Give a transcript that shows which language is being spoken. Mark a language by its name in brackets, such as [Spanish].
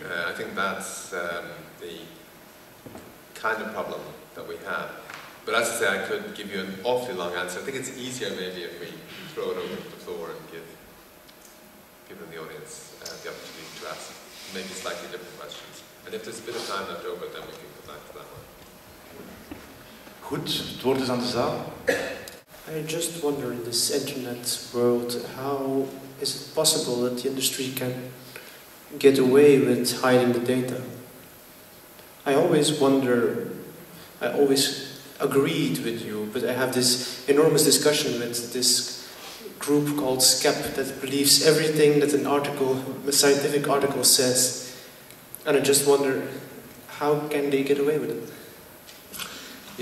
[English] I think that's the kind of problem that we have. But as I say, I could give you an awfully long answer. I think it's easier maybe if we throw it over the floor and give people in the audience the opportunity to ask maybe slightly different questions. And if there's a bit of time left over, then we can come back to that one. [Dutch] Goed, het woord is aan de zaal. [English] I just wonder, in this internet world, how is it possible that the industry can get away with hiding the data? I always agreed with you, but I have this enormous discussion with this group called SCEP that believes everything that a scientific article says, and I just wonder, how can they get away with it?